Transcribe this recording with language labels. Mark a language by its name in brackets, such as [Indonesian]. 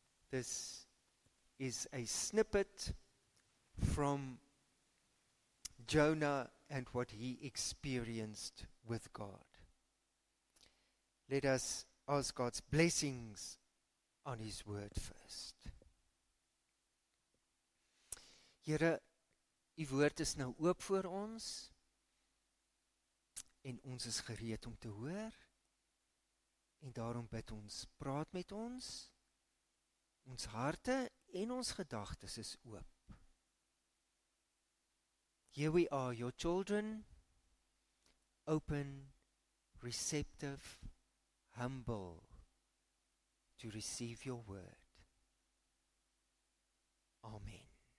[English] This is a snippet from Jonah and what he experienced with God. Let us ask God's blessings on his word first. [Afrikaans] Here, u woord is nou oop voor ons, en ons is gereed om te hoor, en daarom bid ons, praat met ons, ons harte en ons gedagtes is oop. [English] Here we are, your children, open, receptive, humble to receive your word. Amen.